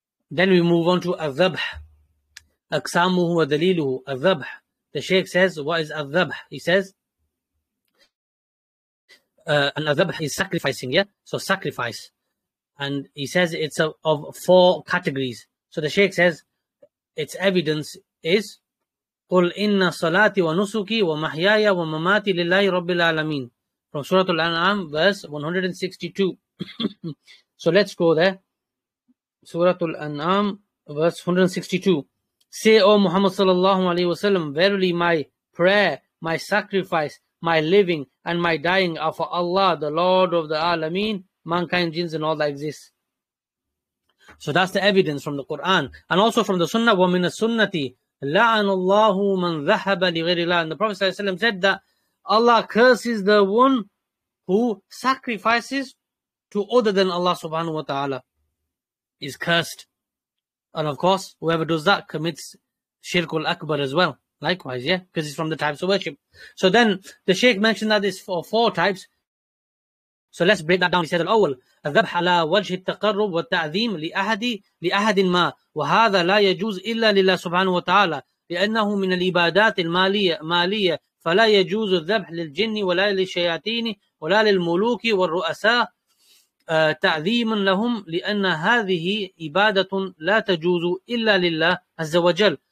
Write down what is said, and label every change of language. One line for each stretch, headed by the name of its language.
English: Then we move on to al-dhabh.
Arabic: Aqsamuhu wa daliluhu al-dhabh.
English: The Shaykh says, what is al-dhabh? He says, and al-dhabh is sacrificing, yeah? So sacrifice. And he says it's of four categories. So the Shaykh says, its evidence is
Arabic: قُلْ إِنَّ صَلَاتِ وَنُسُكِ وَمَحْيَايَ وَمَمَاتِ لِلَّهِ رَبِّ الْعَالَمِينَ.
English: From Surah Al-An'am, verse 162. So let's go there. Surah Al-An'am, verse 162. Say, O Muhammad sallallahu alayhi wa sallam, verily my prayer, my sacrifice, my living, and my dying are for Allah, the Lord of the Alameen, mankind, jinns, and all that exists. So that's the evidence from the Quran. And also from the Sunnah,
Arabic: وَمِنَ السُنَّةِ لَعَنُ اللَّهُ مَنْ ذَهَبَ لِغَيْرِ اللَّهِ.
English: And the Prophet sallallahu alayhi wa sallam said that Allah curses the one who sacrifices to other than Allah subhanahu wa ta'ala. Is cursed. And of course, whoever does that commits shirkul akbar as well. Likewise, yeah, because it's from the types of worship. So then the Shaykh mentioned that it's for four types. So let's break that down. He said,
Arabic: الأول الذبح على وجه التقرب والتعظيم لأحد ما وهذا لا يجوز إلا لله سبحانه وتعالى لأنه من العبادات المالية فلا يجوز الذبح للجن ولا للشياطين ولا للملوك والرؤساء تعظيم لهم لأن هذه عبادة لا تجوز إلا لله عز وجل.